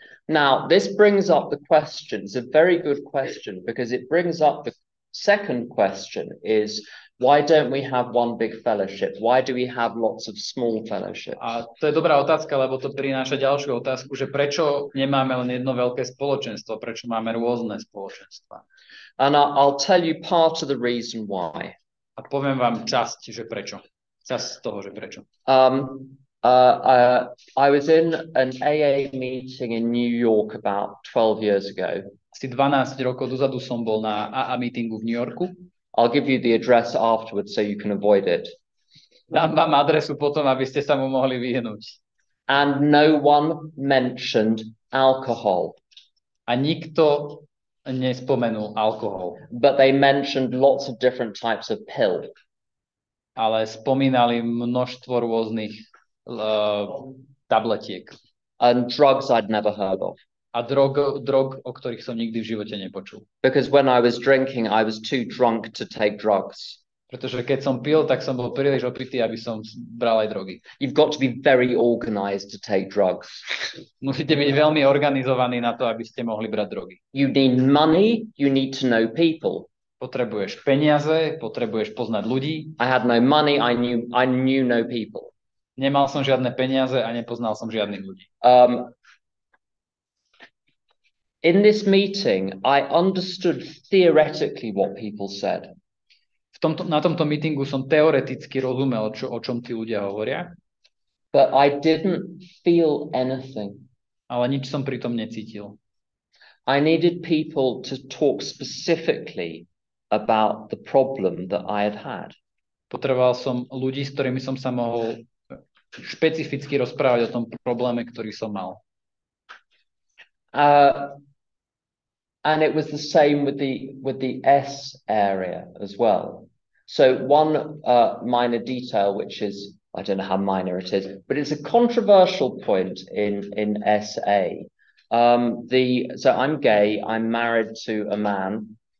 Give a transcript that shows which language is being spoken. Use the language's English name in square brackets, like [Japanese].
[English] Now, this brings up the question. It's a very good question because it brings up the second question is, why don't we have one big fellowship? Why do we have lots of small fellowships? [Slovak] A to je dobrá otázka, lebo to prináša ďalšiu otázku, že prečo nemáme len jedno veľké spoločenstvo, prečo máme rôzne spoločenstva? [English] And I'll tell you part of the reason why. [Slovak] A poviem vám časť, že prečo. Časť z toho, že prečo. [English] I was in an AA meeting in New York about 12 years ago. [Slovak] Asi 12 rokov dozadu som bol na AA meetingu v New Yorku. [English] I'll give you the address afterwards so you can avoid it. [Slovak] Dám vám adresu potom, aby ste sa mu mohli vyhnúť. [English] And no one mentioned alcohol. [Slovak] A nikto nespomenul alkohol. [English] But they mentioned lots of different types of pill. [Slovak] Ale spomínali množstvo rôznych tabletiek. [English] And drugs I'd never heard of. [Slovak] A drog, o ktorých som nikdy v živote nepočul. [English] Because when I was drinking, I was too drunk to take drugs. [Slovak] Pretože keď som pil, tak som bol príliš opitý, aby som bral aj drogy. [English] You've got to be very organized to take drugs. [Slovak] Musíte byť veľmi organizovaní na to, aby ste mohli brať drogy. [English] You need money, you need to know people. [Slovak] Potrebuješ peniaze, potrebuješ poznať ľudí. [English] I had no money, I knew no people. [Slovak] Nemal som žiadne peniaze a nepoznal som žiadnych ľudí. [English] In this meeting, I understood theoretically what people said. [Slovak] Na tomto meetingu som teoreticky rozumel, o čom tí ľudia hovoria. [English] But I didn't feel anything. [Slovak] Ale nič som pri tom necítil. [English] I needed people to talk specifically about the problem that I had. [Slovak] Potreboval som ľudí, s ktorými som sa mohol špecificky rozprávať o tom probléme, ktorý som mal. [English] And it was the same with the S area as well. So one minor detail, which is, I don't know how minor it is, but it's a controversial point in SA. So I'm gay, I'm married to a man.